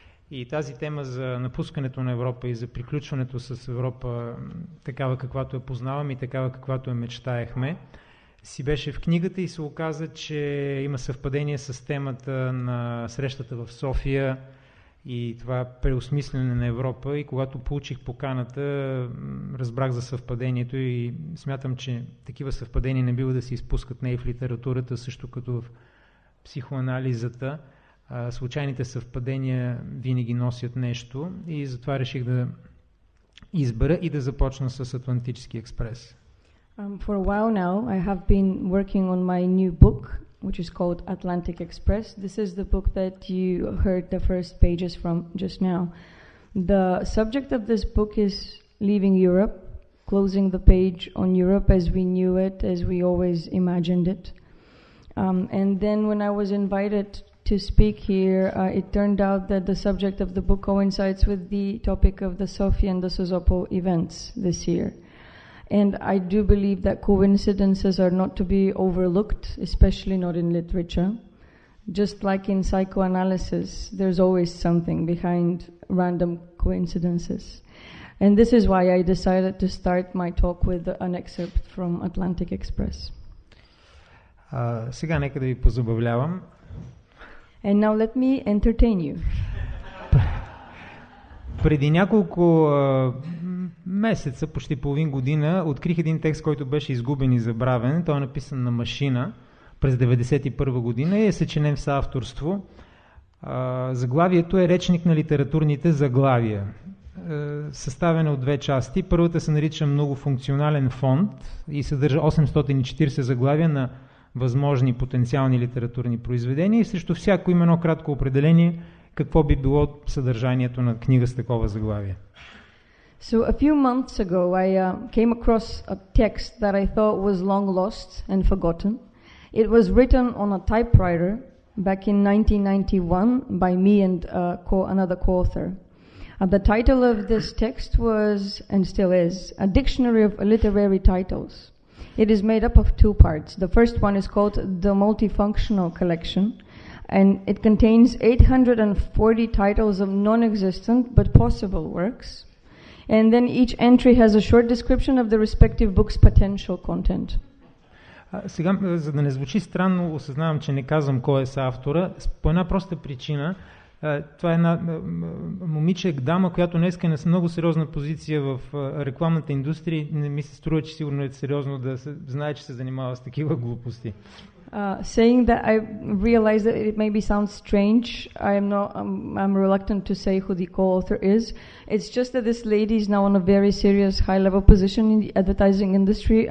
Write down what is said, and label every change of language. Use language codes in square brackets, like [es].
[bg] И тази тема за напускането на Европа и за приключването с Европа, такава каквато я познавам и такава каквато я мечтаехме, си беше в книгата и се оказа, че има съвпадение с темата на срещата в София, и това преосмислене на Европа, и когато получих поканата, разбрах за съвпадението и смятам, че такива съвпадения не бива да се изпускат не и в литературата, също като в психоанализата. Случайните съвпадения винаги носят нещо и затова реших да избера и да започна с Атлантически експрес. [en] For a while now, I have been working on my new book, which is called Atlantic Express. This is the book that you heard the first pages from just now. The subject of this book is leaving Europe, closing the page on Europe as we knew it, as we always imagined it. And then when I was invited to speak here, it turned out that the subject of the book coincides with the topic of the Sofia and the Sozopol events this year. And I do believe that coincidences are not to be overlooked, especially not in literature. Just like in psychoanalysis, there's always something behind random coincidences. And this is why I decided to start my talk with an excerpt from Atlantic Express. [bg] Сега нека да ви позабавлявам. [en] And now let me entertain you. [bg] Преди няколко месеца, почти половин година, открих един текст, който беше изгубен и забравен. Той е написан на машина през 91-а година и е съчинен в съавторство. Заглавието е речник на литературните заглавия, съставен от две части. Първата се нарича многофункционален фонд и съдържа 840 заглавия на възможни потенциални литературни произведения и срещу всяко има едно кратко определение какво би било съдържанието на книга с такова заглавие. [en] So a few months ago I came across a text that I thought was long lost and forgotten. It was written on a typewriter back in 1991 by me and another co-author. The title of this text was, and still is, A Dictionary of Literary Titles. It is made up of two parts. The first one is called The Multifunctional Collection, and it contains 840 titles of non-existent but possible works. And then each entry has a short description of the respective book's potential content. [bg] Сега, за да не звучи странно, осъзнавам, че не казвам кой е съавтора. По една проста причина, това е една момиче, дама, която днес е на много сериозна позиция в рекламната индустрия. Не ми се струва, че сигурно е сериозно да се знае, че се занимава с такива глупости. [en] Saying that I realize that it maybe sounds strange, I'm reluctant to say who the co-author is. It's just that this lady is now on a very serious high-level position in the advertising industry.